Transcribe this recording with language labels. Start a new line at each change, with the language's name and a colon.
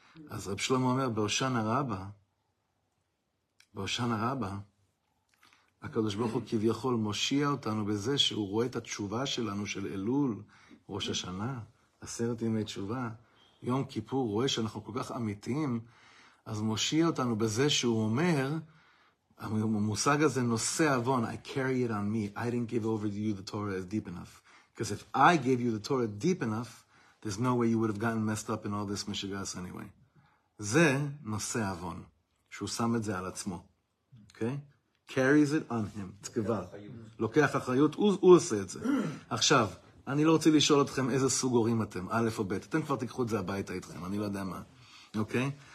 Hebrew: אז רב שלמה אומר, בהושענא רבה, הקדוש ברוך הוא כביכול מושיע אותנו בזה שהוא רואה את התשובה שלנו של אלול, ראש השנה, עשרת ימי תשובה, יום כיפור, רואה שאנחנו כל כך אמיתיים, אז מושיע אותנו בזה שהוא אומר, המושג הזה נושא אבון,
English: I carry it on me, I didn't give over to you the Torah deep enough. Because if I gave you the Torah deep enough, there's no way you would have gotten messed up in all this משגס anyway.
Hebrew: זה נושא אבון, שהוא שם את זה על עצמו. Okay?
English: Carries it on him.
Hebrew: לוקח אחריות, הוא עושה את זה. עכשיו, אני לא רוצה לשאול אתכם איזה סוג הורים אתם, א' או ב', אתם כבר תיקחו את זה הביתה איתכם, אני לא יודע מה. אוקיי?